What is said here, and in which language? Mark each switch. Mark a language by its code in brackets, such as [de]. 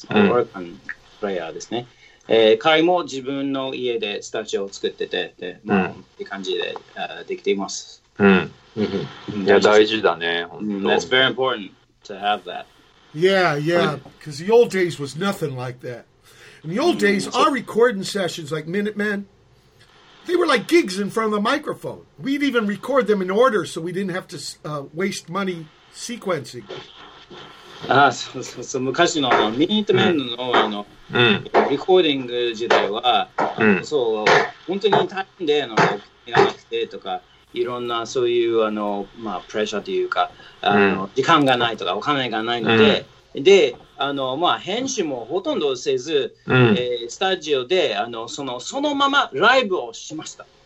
[ja] オルガンプレイヤーですね。彼も自分の家でスタジオを作ってて、で、まあ、って感じで、できています。いや、大事だね。 [en] That's very important to have that. Yeah, because the old days was nothing like that. In the old days, our recording sessions, like Minutemen, they were like gigs in front of the microphone. We'd even record them in order so we didn't have to waste money sequencing. [ja] そう、昔のミニットメンの、レコーディング時代は、そう、本当に大変で、いらなくてとか、いろんなそういう、プレッシャーというか、時間がないとか、お金がないので、で、編集もほとんどせず、スタジオで、そのままライブをしました。